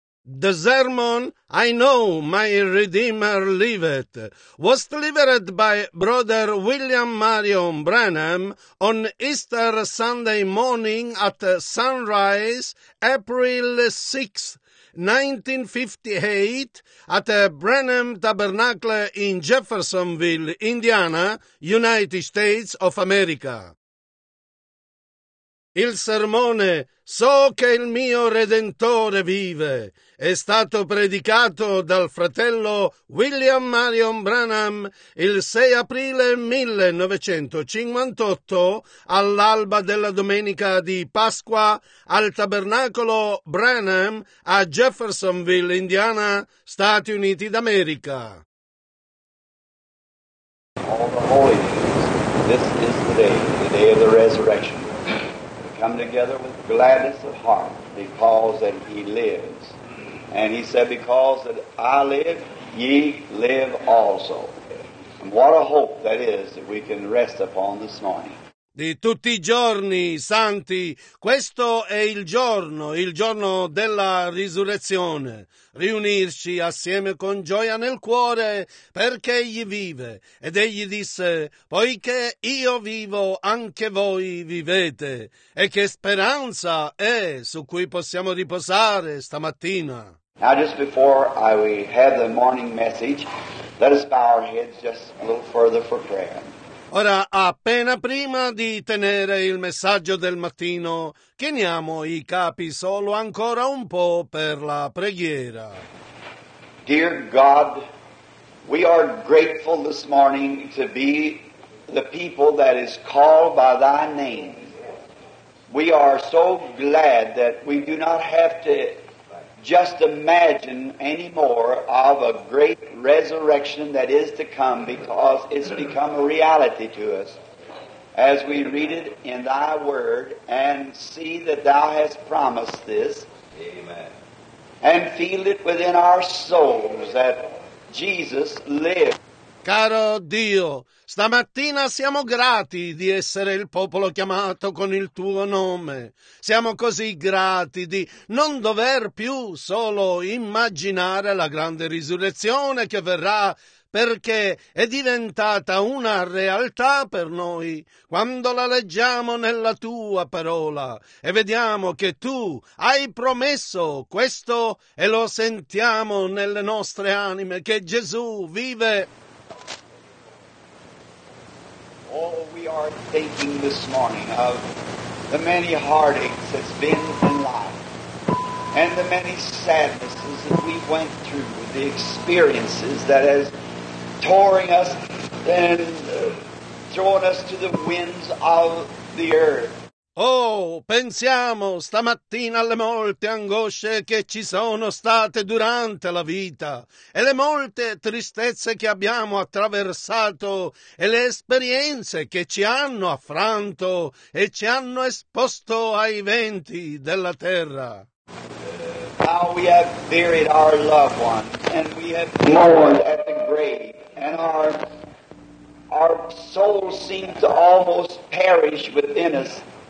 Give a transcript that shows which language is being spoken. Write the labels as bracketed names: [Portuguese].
[English] The sermon, I know my Redeemer liveth, was delivered by Brother William Marion Branham on Easter Sunday morning at sunrise, April 6, 1958, at Branham Tabernacle in Jeffersonville, Indiana, United States of America. [Italian] Il sermone «So che il mio Redentore vive» è stato predicato dal fratello William Marion Branham il 6 aprile 1958 all'alba della domenica di Pasqua al tabernacolo Branham a Jeffersonville, Indiana, Stati Uniti d'America. [English] All the holy days, this is the day of the resurrection. Come together with gladness of heart because that he lives. And he said, because that I live, ye live also. And what a hope that is that we can rest upon this morning. [Italian] Di tutti i giorni, santi, questo è il giorno della risurrezione. Riunirci assieme con gioia nel cuore, perché egli vive. Ed egli disse, poiché io vivo, anche voi vivete. E che speranza è su cui possiamo riposare stamattina. [English] Now just before we have the morning message, let us bow our heads just a little further for prayer. [Italian] Ora, appena prima di tenere il messaggio del mattino, chiniamo i capi solo ancora un po' per la preghiera. [English] Dear God, we are grateful this morning to be the people that is called by thy name. We are so glad that we do not have to just imagine anymore of a great resurrection that is to come, because it's become a reality to us as we read it in thy word and see that thou hast promised this. Amen. And feel it within our souls that Jesus lived. [Italian] Caro Dio, stamattina siamo grati di essere il popolo chiamato con il tuo nome. Siamo così grati di non dover più solo immaginare la grande risurrezione che verrà, perché è diventata una realtà per noi quando la leggiamo nella tua parola e vediamo che tu hai promesso questo e lo sentiamo nelle nostre anime, che Gesù vive. [English] All we are thinking this morning of the many heartaches that's been in life and the many sadnesses that we went through, the experiences that has touring us and thrown us to the winds of the earth. [Italian] Oh, pensiamo stamattina alle molte angosce che ci sono state durante la vita e le molte tristezze che abbiamo attraversato e le esperienze che ci hanno affranto e ci hanno esposto ai venti della terra. [English] Now we have buried our loved ones and we have mourned at the grave and our souls seem to almost perish within us.